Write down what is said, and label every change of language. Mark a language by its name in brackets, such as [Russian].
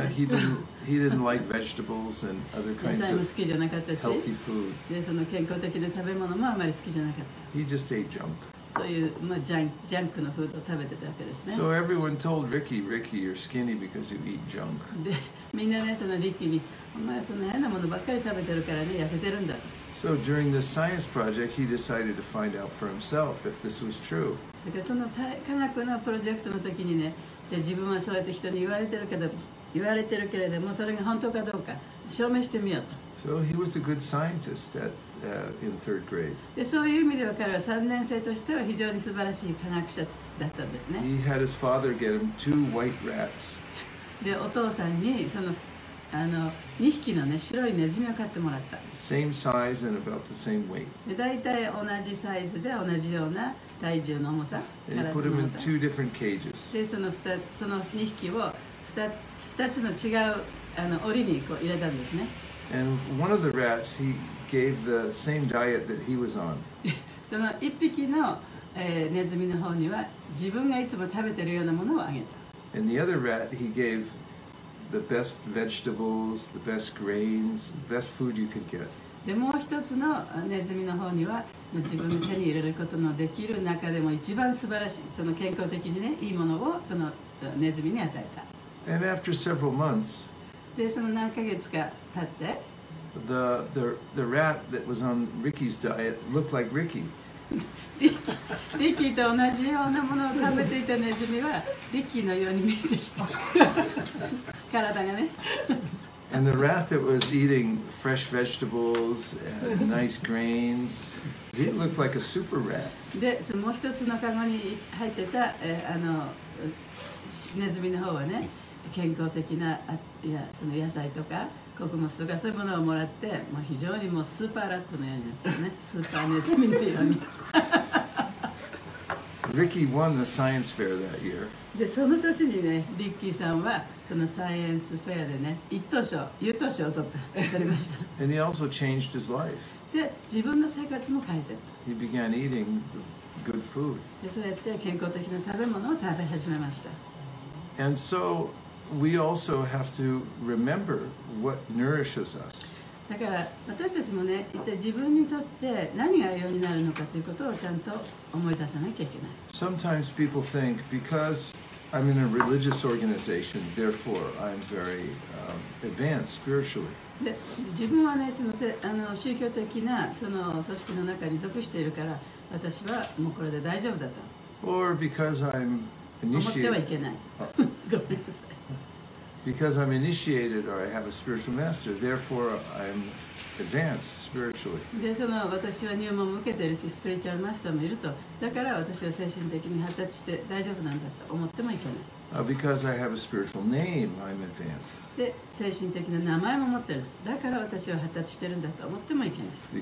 [English] He didn't like vegetables and other kinds of healthy food. [Japanese] でその健康的な食べ物もあまり好きじゃなかった。 [English] He just ate junk. [Japanese] そういう、まあ、ジャンクのフードを食べてたわけですね。 [English] So everyone told Ricky, Ricky, you're skinny because you eat junk. [Japanese] で、みんなね、そのリッキーに、お前そんな変なものばっかり食べてるからね、痩せてるんだ。 [English] So during the science project, he decided to find out for himself if this was true. [Japanese] だからその科学のプロジェクトの時にね、じゃあ自分はそうやって人に言われてるけれども、それが本当かどうか証明してみようと。 [English] So he was a good scientist at, in third grade. [Japanese] で、そういう意味では彼は3年生としては非常に素晴らしい科学者だったんですね。 [English] He had his father get him two white rats. [Japanese] で、お父さんにその、2匹のね、白いネズミを買ってもらった。 [English] Same size and about the same weight. [Japanese] で、大体同じサイズで同じような体重の重さ。 [English] And he put him in two different cages. [Japanese] で、その2匹を 2つの違うあの檻にこう入れたんですね。 [English] And one of the rats, he gave the same diet that he was on. [Japanese] その一匹の、ネズミの方には自分がいつも食べてるようなものをあげた。 [English] And the other rat, he gave the best vegetables, the best grains, the best food you could get. [Japanese] でもう一つのネズミの方には自分の手に入れることのできる中でも一番素晴らしいその健康的にねいいものをそのネズミに与えた。 [English] And after several months, [Japanese] でその何ヶ月か経って [English] the rat that was on Ricky's diet looked like Ricky. [Japanese] リッキーと同じようなものを食べていたネズミはリッキーのように見えてきた体がね。 [English] And the rat that was eating fresh vegetables and nice grains, he looked like a super rat. [Japanese] でそのもう一つのカゴに入ってた、あのネズミの方はね。健康的ないやその野菜とか穀物とかそういうものをもらって、まあ、非常にもうスーパーラットのようになったね、スーパーネズミのように。 [English] Ricky won the science fair that year. [Japanese] でその年にね、リッキーさんはそのサイエンスフェアでね、一等賞、優等賞を取りました。 [English] And he also changed his life. [Japanese] で自分の生活も変えてた。 [English] He began eating good food. [Japanese] でそうやって健康的な食べ物を食べ始めました。 [English] And so,We also have to remember what nourishes us. [Japanese] だから私たちもね、一体自分にとって何が良いになるのかということをちゃんと思い出さなきゃいけない。 [English] Sometimes people think because I'm in a religious organization, therefore I'm very, advanced spiritually. [Japanese] で、自分はね、あの宗教的なその組織の中に属しているから、私はもうこれで大丈夫だと。 [English] Or because I'm initiated. [Japanese] 思ってはいけない。ごめんなさい。 [English] Because I'm initiated or I have a spiritual master, therefore I'm advanced spiritually. [Japanese] で、その私は入門を受けているし、スピリチュアルマスターもいると、だから私は精神的に発達して大丈夫なんだと思ってもいけない。 [English] Because I have a spiritual name, I'm advanced. [Japanese] で、精神的な名前も持ってる。だから私は発達してるんだと思ってもいけない。